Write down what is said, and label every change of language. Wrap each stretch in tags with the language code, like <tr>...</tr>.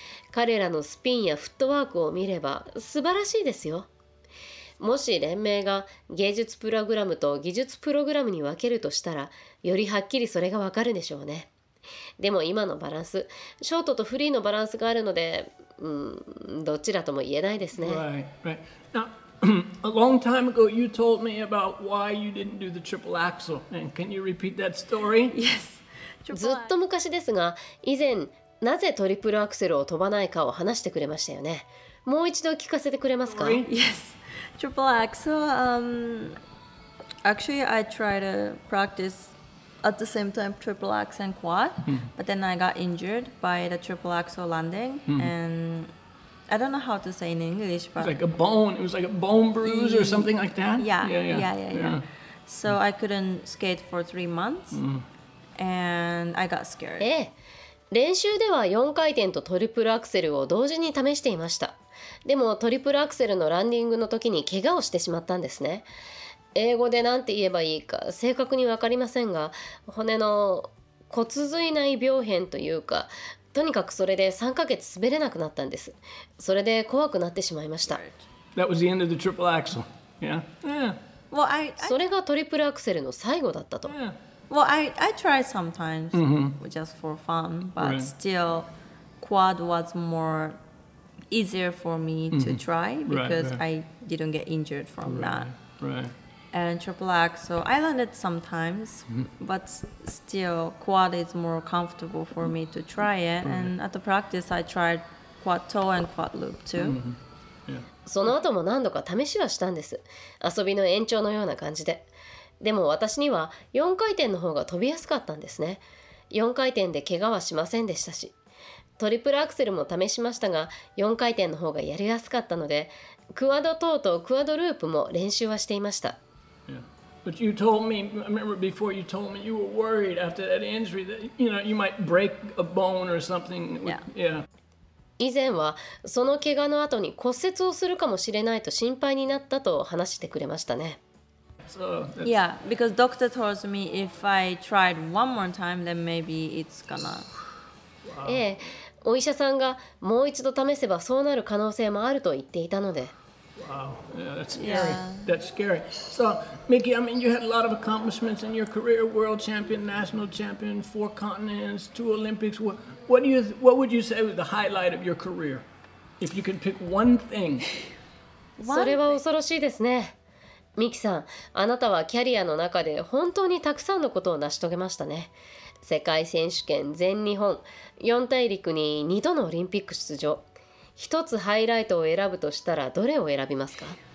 <ja>彼らのスピンやフットワークを見れば素晴らしいですよ。もし連盟が芸術プログラムと技術プログラムに分けるとしたら、よりはっきりそれが分かるでしょうね。でも今のバランス、ショートとフリーのバランスがあるので、どちらとも言えないですね。</ja> <en>Right. Now, a long time ago, you told me about why you didn't do the triple axle. And can you repeat that story? Yes.</en> <ja>ずっと昔ですが、以前、なぜトリプルアクセルを飛ばないかを話してくれましたよね。もう一度聞かせてくれますか？</ja> <en>Yes. Triple axle, actually I tried to practice at the same time triple axe and quad, mm-hmm. but then I got injured by the triple axle landing, mm-hmm. and I don't know how to say in English, but... It was like a bone bruise or something like that? Yeah. So mm-hmm. I couldn't skate for 3 months, mm-hmm. and I got scared.</en> <ja>練習では4回転とトリプルアクセルを同時に試していました。でもトリプルアクセルのランディングの時に怪我をしてしまったんですね。英語で何て言えばいいか正確に分かりませんが、骨の骨髄内病変というか、とにかくそれで3ヶ月滑れなくなったんです。それで怖くなってしまいました。</ja> <en>That was the end of the triple axle. Yeah. Well,</en> <ja>それがトリプルアクセルの最後だったと。</ja> <en>Yeah. Well, I tried sometimes just for fun, but still... quad was more easier for me to try because I didn't get injured from that. Right. And triple axel, I landed sometimes, but still quad is more comfortable for me to try it. Right. And at the practice, I tried quad toe and quad loop too.</en> <ja>その後も何度か試しはしたんです。遊びの延長のような感じで。でも私には4回転の方が飛びやすかったんですね。 4回転で怪我はしませんでしたし。トリプルアクセルも試しましたが、4回転の方がやりやすかったので、クワドトーとクワドループも練習はしていました。</ja> <en>But you told me, I remember before you told me you were worried after that injury that you know, you might break a bone or something. Yeah. Yeah.</en> <ja>以前はその怪我の後に骨折をするかもしれないと心配になったと話してくれましたね。</ja> <en>So, yeah, because doctor told me if I tried one more time, then maybe it's gonna. Wow.</en> <ja>ええ、お医者さんがもう一度試せばそうなる可能性もあると言っていたので。</ja> <en>Wow, yeah, that's scary. Yeah. That's scary. So, Mickey, I mean, you had a lot of accomplishments in your career: world champion, national champion, 4 continents, 2 Olympics. What would you say was the highlight of your career, if you can pick one thing?</en> <ja>それは恐ろしいですね。ミキさん、あなたはキャリアの中で本当にたくさんのことを成し遂げましたね。世界選手権、全日本、四大陸に2度のオリンピック出場。一つハイライトを選ぶとしたらどれを選びますか？</ja>